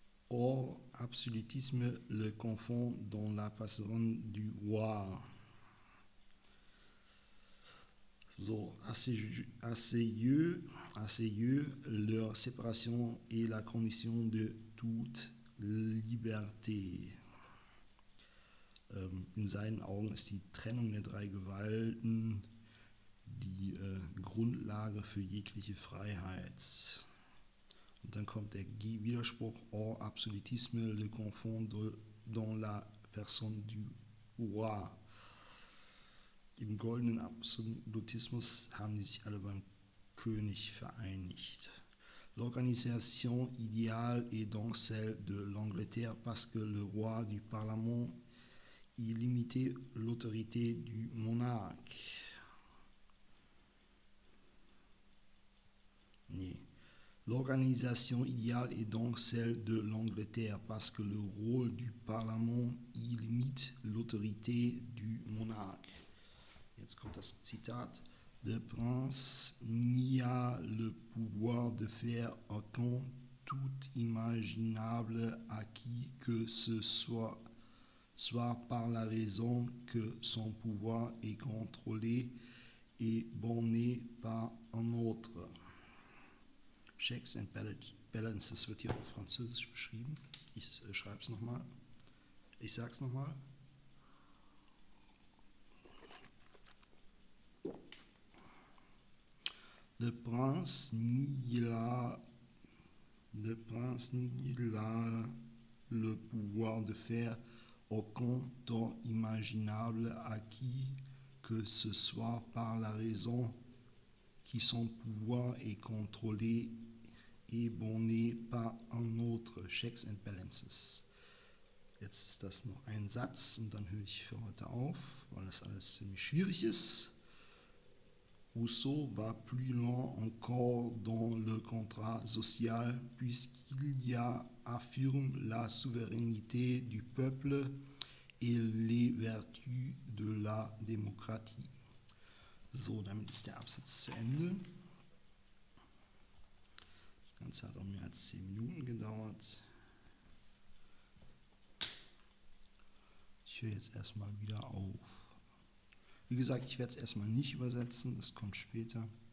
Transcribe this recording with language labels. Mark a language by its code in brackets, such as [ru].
[fr] Or, absolutisme le confond dans la personne du roi. So, à ses yeux, leur séparation est la condition de toute liberté. [de] In seinen Augen ist die Trennung der drei Gewalten die Grundlage für jegliche Freiheit. Und dann kommt der Widerspruch, [fr] or absolutisme le confond dans la personne du roi. [de] Im goldenen Absolutismus haben die sich alle beim König vereinigt. [fr] L'organisation idéale est donc celle de l'Angleterre parce que le roi du Parlement y limitait l'autorité du monarque. L'organisation idéale est donc celle de l'Angleterre parce que le rôle du Parlement y limite l'autorité du monarque. [de] Jetzt kommt das Zitat. [fr] Le prince n'y a le pouvoir de faire autant tout imaginable à qui que ce soit, soit par la raison que son pouvoir est contrôlé et borné par un autre. [de] Checks and balances wird hier auf Französisch beschrieben. Ich schreibe es nochmal. Ich sage es nochmal. [fr] Le prince n'y a le pouvoir de faire aucun tort imaginable à qui que ce soit par la raison qui son pouvoir est contrôlé et borné par un autre, checks and balances. [de] Jetzt ist das noch ein Satz und dann höre ich für heute auf, weil das alles ziemlich schwierig ist. [fr] Rousseau va plus loin encore dans le contrat social, puisqu'il y a, affirme la souveraineté du peuple et les vertus de la démocratie. [de] So, damit ist der Absatz zu Ende. Das Ganze hat auch mehr als 10 Minuten gedauert. Ich höre jetzt erstmal wieder auf. Wie gesagt, ich werde es erstmal nicht übersetzen, das kommt später.